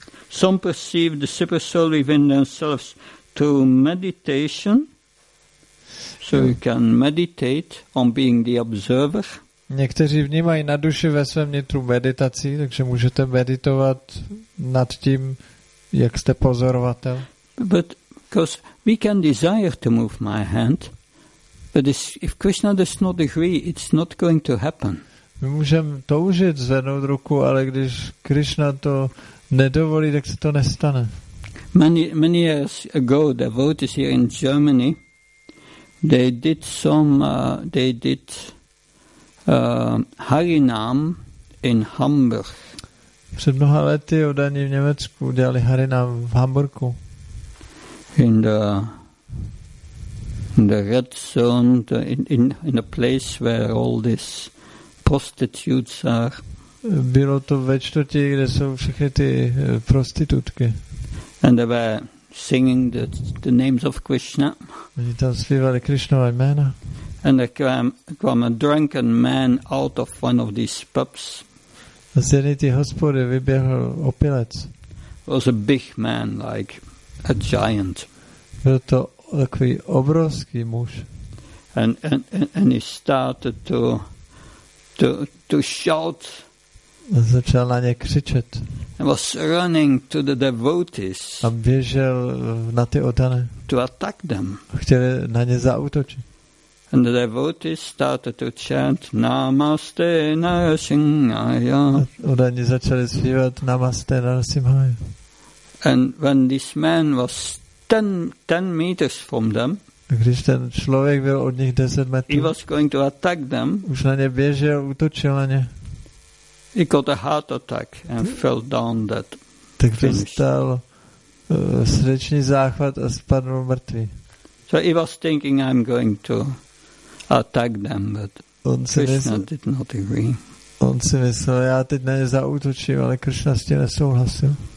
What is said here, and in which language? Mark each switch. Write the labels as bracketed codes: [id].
[en] Some perceive the super soul within themselves to meditation. So you can meditate on being the observer. [cs] Někteří vnímají na duši ve svém nitru meditací, takže můžete meditovat nad tím, jak jste pozorovatel. [en] But because we can desire to move my hand, but if Krishna does not agree, it's not going to happen. [cs] My můžeme toužit zvednout ruku, ale když Krishna to nedovolí, tak se to nestane. [en] Many years ago, devotees here in Germany. They did Harinam in Hamburg. [cs] Před mnoha lety oddaní v Německu dělali Harinam v Hamburku. [en] In the red zone, in the place where all this prostitutes are. [cs] Bylo to ve čtvrti, kde jsou všechny ty prostitutky. [en] And they were singing the names of Krishna. [cs] Oni tam zpívali Krishnova jména. [en] And there came a drunken man out of one of these pubs. [cs] A z jedné té hospody vyběhl opilec. [en] Was a big man, like a giant. [cs] Byl to takový obrovský muž. [en] And he started to shout. [cs] A začal na ně křičet. [en] He was running to the devotees. [cs] A běžel na ty oddané. [en] To attack them. [cs] A chtěl na ně zaútočit. [en] And the devotees started to chant [sa] Namaste Narasimhaya. [cs] Oddané začali zpívat [sa] Namaste Narasimhaya. [en] And when this man was 10 meters from them, [cs] když ten člověk byl od nich 10 metrů, [en] he was going to attack them, [cs] už na ně běžel, utočil na ně. [en] He got a heart attack and fell down dead. [cs] Tak dostal srdeční záchvat a spadl mrtvý. [en] So he was thinking I'm going to attack them, but Krishna did not agree. [cs] On si myslel, já teď na ně zaútočím, ale Krishna s tím nesouhlasil.